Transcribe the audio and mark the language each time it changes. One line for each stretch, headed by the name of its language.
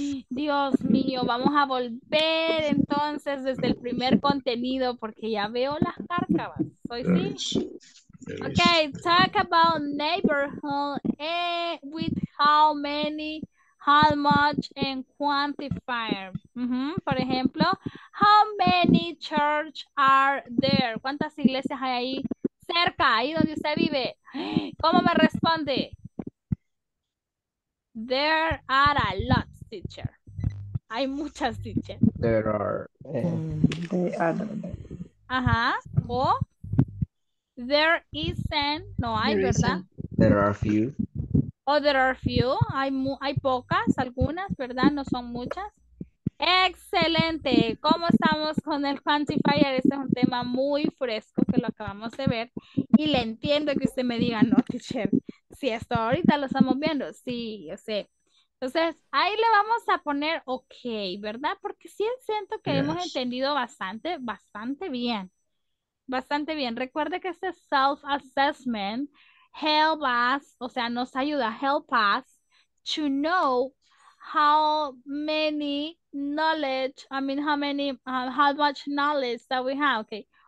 Spanish: Dios mío, vamos a volver entonces desde el primer contenido porque ya veo las cárcavas. ¿Soy sí?
English: Okay, talk about neighborhood with how many, how much, and quantifier. Mm-hmm.
Spanish: Por ejemplo,
English: how many church are there?
Spanish: ¿Cuántas iglesias hay ahí? Cerca, ahí donde usted vive. ¿Cómo me responde?
English: There are a lot, teacher.
Spanish: Hay muchas,
English: teacher. There are.
Spanish: Ajá. O
English: there isn't.
Spanish: No hay, there ¿verdad? Isn't.
English: There are few.
Spanish: O
English: there are few.
Spanish: Hay pocas, algunas, ¿verdad? No son muchas. ¡Excelente! ¿Cómo estamos con el quantifier? Este es un tema muy fresco que lo acabamos de ver. Y le entiendo que usted me diga, no, teacher, si esto ahorita lo estamos viendo. Sí, yo sé. Entonces, ahí le vamos a poner ok, ¿verdad? Porque sí siento que hemos entendido bastante, bastante bien. Bastante bien. Recuerde que este
English: self-assessment help us,
Spanish: o sea, nos ayuda,
English: help us to know how many knowledge, I mean, how many, how much knowledge that we have, okay.